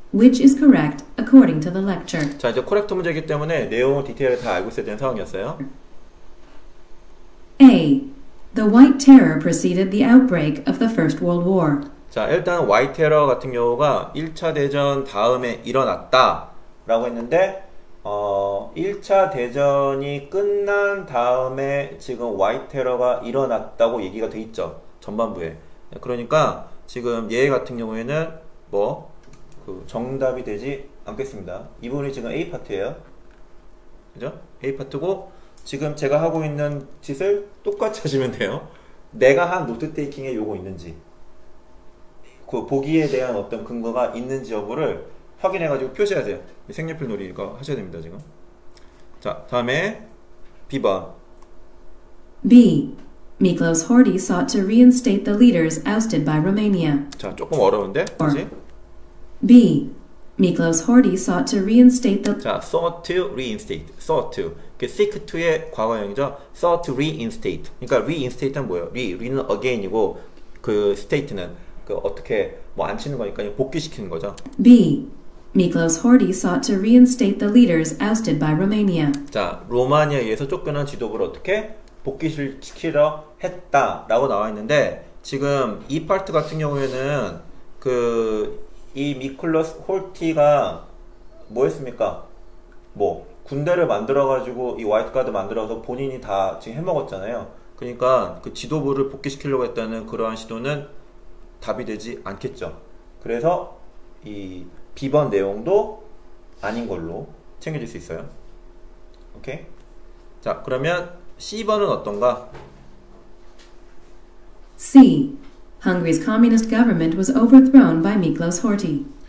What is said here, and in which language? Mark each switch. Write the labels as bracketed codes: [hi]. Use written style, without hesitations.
[en] Which is correct according to the lecture? [ko] 자, 이제 correct 문제이기 때문에 내용 디테일을 다 알고 있어야 되는 상황이었어요. [en] A. The white terror preceded the outbreak of the First World War. [ko] 자, 일단 white terror 같은 경우가 1차 대전 다음에 일어났다 라고 했는데 1차 대전이 끝난 다음에 지금 white terror가 일어났다고 얘기가 돼 있죠. 전반부에. 그러니까 지금 얘 같은 경우에는 뭐 그 정답이 되지 않겠습니다. 이 부분이 지금 A 파트예요. 그죠? A 파트고 지금 제가 하고 있는 짓을 똑같이 하시면 돼요. 내가 한 노트 테이킹에 요거 있는지 그 보기에 대한 어떤 근거가 있는지 여부를 확인해 가지고 표시해야 돼요. 색연필 놀이 이거 하셔야 됩니다, 지금. 자, 다음에 B번. [en] B. Miklos Horthy sought to reinstate the leaders ousted by Romania. [ko] 자, 조금 어려운데? 그렇지? [en] B. Miklos Horthy sought to reinstate the 자, sought to reinstate. sought to. [ko] 그 seek to의 과거형이죠. [en] sought to reinstate. [ko] 그러니까 reinstate는 뭐예요? re는 again이고 그 state는 그 어떻게 뭐 안 치는 거니까 복귀시키는 거죠. B. [en] Miklos Horthy sought to reinstate the leaders ousted by Romania. [ko] 자, 로마니아에서 쫓겨난 지도부를 어떻게 복귀시키려 했다라고 나와 있는데 지금 이 파트 같은 경우에는 그 이 미클로스 홀티가 뭐 했습니까? 뭐 군대를 만들어가지고 이 와이트가드 만들어서 본인이 다 지금 해먹었잖아요. 그러니까 그 지도부를 복귀시키려고 했다는 그러한 시도는 답이 되지 않겠죠. 그래서 이 B번 내용도 아닌 걸로 챙겨질 수 있어요. 오케이? 자, 그러면 C번은 어떤가? [en] C. Hungary's communist government was overthrown by Miklos Horthy.